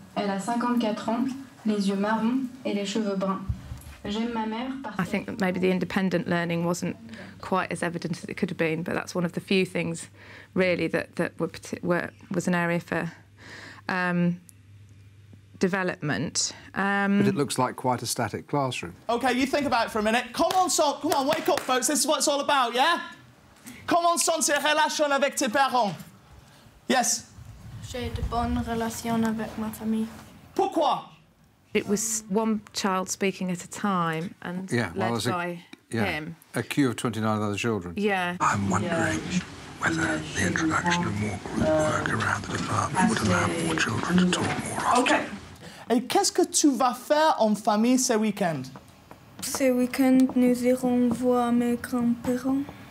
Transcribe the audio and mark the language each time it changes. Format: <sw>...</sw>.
<fr>Elle a 54 ans, les yeux marrons et les cheveux bruns.</fr> <en>I think that maybe the independent learning wasn't quite as evident as it could have been, but that's one of the few things, really, that was an area for development. But it looks like quite a static classroom. OK, you think about it for a minute. Come on, son, come on, wake up, folks. This is what it's all about, yeah? Come on, son,</en> <fr>c'est relation avec tes parents.</fr> <en>Yes?</en> <fr>J'ai de bonnes relations avec ma famille. Pourquoi?</fr> <en>It was one child speaking at a time and led by him. A queue of 29 other children. Yeah. I'm wondering whether the introduction of more group work around the department would allow more children to talk more often. OK.</en> <fr>Et qu'est-ce que tu vas faire en famille ce week-end? Ce week-end, nous irons voir mes grands-parents.</fr>